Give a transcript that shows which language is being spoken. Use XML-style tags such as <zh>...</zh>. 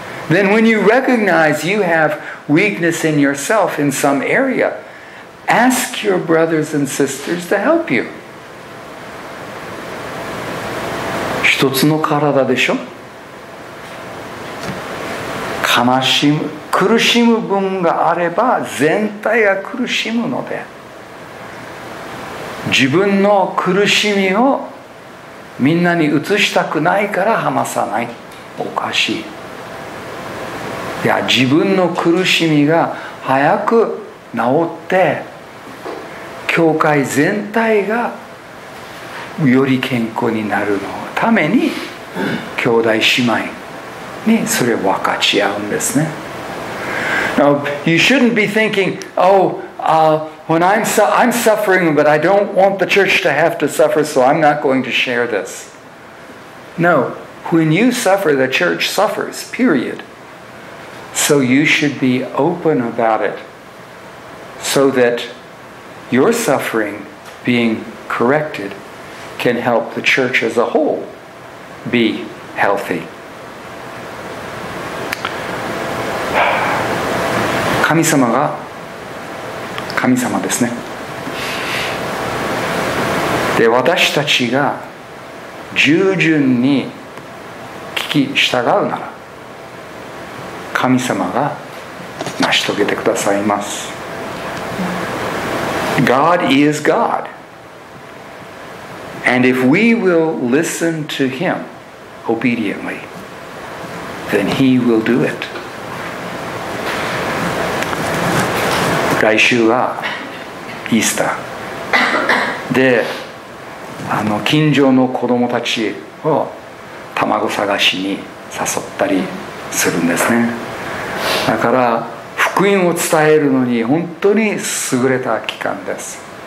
<en>Then when you recognize you have weakness in yourself in some area, ask your brothers and sisters to help you.</en> <ja>一つの体でしょ? 悲しむ、苦しむ分があれば全体が苦しむので、自分の苦しみをみんなに移したくないから話さない。おかしい。いや、自分の苦しみが早く治って教会全体がより健康になるのために兄弟姉妹にそれを分かち合うんですね。</ja> <en>Now, you shouldn't be thinking, oh, when I'm suffering, but I don't want the church to have to suffer, so I'm not going to share this. No, when you suffer, the church suffers, period. So you should be open about it so that your suffering being corrected can help the church as a whole be healthy.</en> <ja>神様が神様ですね。で、私たちが従順に聞き従うなら神様が成し遂げてくださいます。</ja> <en>God is God, and if we will listen to him obediently, then he will do it.</en> <ja>来週はイースターで、近所の子供たちを卵探しに誘ったりするんですね。だから福音を伝えるのに本当に優れた期間です。</ja>